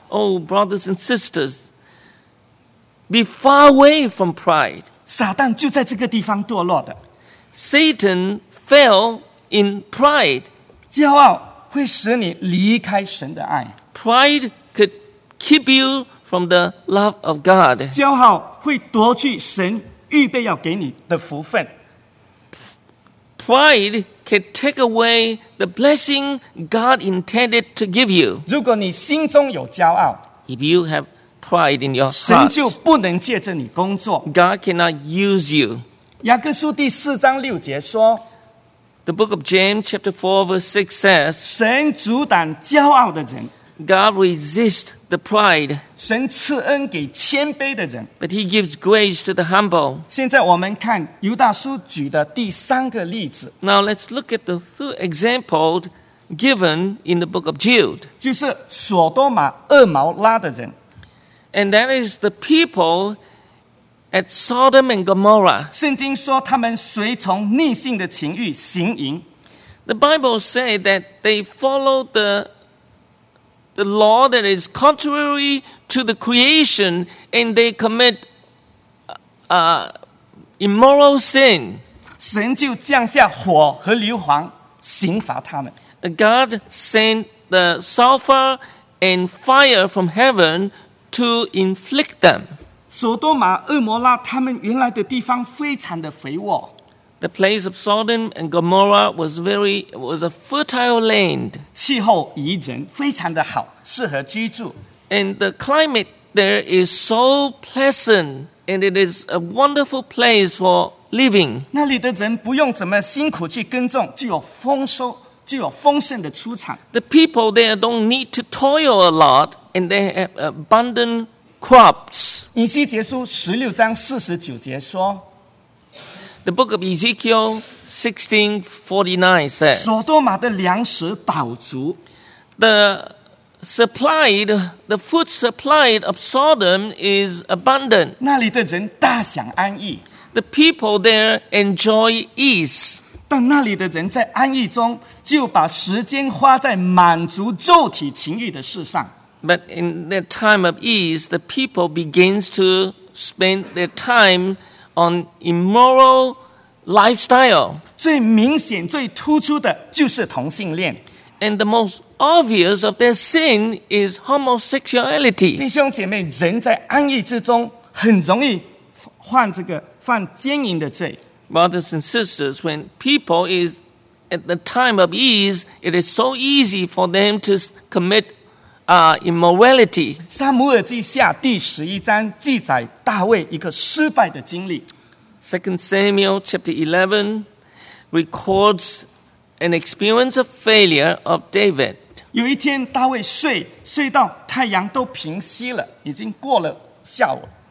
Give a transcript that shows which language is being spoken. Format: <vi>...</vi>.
<en>Oh, brothers and sisters, be far away from pride.</en> <zh>撒旦就在这个地方堕落的。</zh> <en>Satan fell in pride.</en> <zh>骄傲会使你离开神的爱。</zh> <en>Pride could keep you from the love of God.</en> <zh>骄傲会夺去神预备要给你的福分。</zh> <en>Pride can take away the blessing God intended to give you.</en> <zh>如果你心中有骄傲,</zh> <en>if you have pride in your heart,</en> <zh>神就不能借着你工作。</zh> <en>God cannot use you.</en> <zh>雅各书第四章六节说,</zh> <en>The book of James chapter 4 verse 6 says,</en> <zh>神阻挡骄傲的人,</zh> <en>God resists the pride.</en> <zh>神赐恩给谦卑的人,</zh> <en>but he gives grace to the humble.</en> <zh>现在我们看犹大书举的第三个例子。</zh> <en>Now let's look at the third example given in the book of Jude.</en> <zh>就是索多玛、厄摩拉的人。</zh> <en>And that is the people at Sodom and Gomorrah.</en> <zh>圣经说他们随从逆性的情欲行淫。</zh> <en>The Bible says that they followed the law that is contrary to the creation, and they commit immoral sin.</en> <zh>神就降下火和硫磺刑罚他们。</zh> <en>God sent the sulfur and fire from heaven to inflict them.</en> <zh>索多玛、厄摩拉他们原来的地方非常的肥沃。</zh> <en>The place of Sodom and Gomorrah was a fertile land.</en> <zh>气候宜人，非常的好。适合居住。</zh> <en>And the climate there is so pleasant, and it is a wonderful place for living.</en> <zh>那里的人不用怎么辛苦去耕种，就有丰收，就有丰盛的出产。</zh> <en>The people there don't need to toil a lot, and they have abundant crops.</en> <zh>以西结书十六章四十九节说</zh> <en>，The book of Ezekiel 16:49 says,</en> <zh>所多玛的粮食饱足</zh> <en>，The supplied, the food supplied of Sodom is abundant.</en> <zh>那里的人大享安逸</zh> <en>，The people there enjoy ease.</en> <zh>但那里的人在安逸中就把时间花在满足肉体情欲的事上。</zh> <en>But in the time of ease, the people begins to spend their time on immoral lifestyle.</en> <zh>最明显、最突出的就是同性恋。</zh> <en>And the most obvious of their sin is homosexuality.</en> <zh>弟兄姐妹，人在安逸之中很容易犯这个犯奸淫的罪。</zh> <en>Brothers and sisters, when people is at the time of ease, it is so easy for them to commit immorality.</en> <zh>撒母耳记下第十一章记载大卫一个失败的经历。</zh> <en>Second Samuel chapter 11 records an experience of failure of David.</en> <zh>有一天大卫睡到太阳都平息了，已经过了下午。</zh>